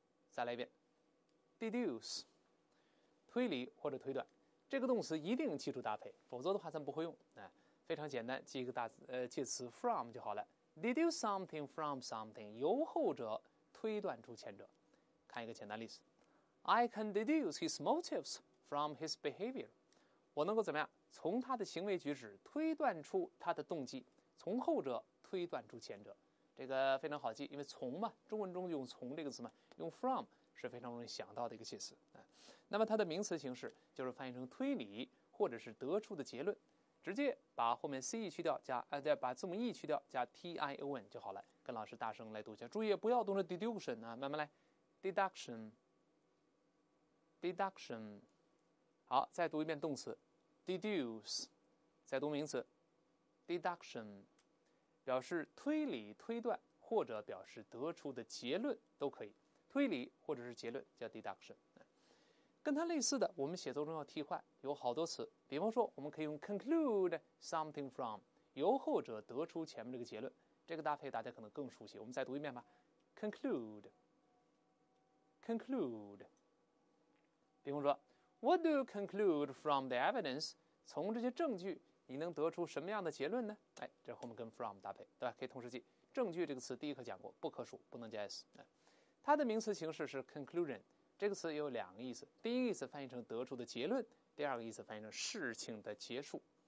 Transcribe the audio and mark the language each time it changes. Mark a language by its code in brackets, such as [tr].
[zh] 再来一遍，deduce，推理或者推断，这个动词一定基础搭配，否则的话咱不会用。非常简单，记一个介词 from 就好了。 [en] deduce something from something， [zh] 由后者推断出前者。看一个简单例子， [en] I can deduce his motives from his behavior。 [zh] 我能够怎么样？从他的行为举止推断出他的动机，从后者推断出前者，这个非常好记，因为从嘛，中文中用从这个词嘛，用 from 是非常容易想到的一个介词。那么它的名词形式就是翻译成推理或者是得出的结论，直接把后面 ce 去掉，再把字母 e 去掉，加 tion 就好了。跟老师大声来读一下，注意不要动着 deduction 啊，慢慢来 ，deduction。好，再读一遍动词。deduce， 再读名词 ，deduction， 表示推理、推断或者表示得出的结论都可以。推理或者是结论叫 deduction。跟它类似的，我们写作中要替换有好多词。比方说，我们可以用 [en] conclude something from， [zh] 由后者得出前面这个结论。这个搭配大家可能更熟悉。我们再读一遍吧 ，conclude。比方说。 [en] What do you conclude from the evidence? [zh] 从这些证据，你能得出什么样的结论呢？这后面跟 from 搭配，对吧？可以同时记。证据这个词第一课讲过，不可数，不能加 s。它的名词形式是 conclusion。这个词有两个意思，第一个意思翻译成得出的结论，第二个意思翻译成事情的结束。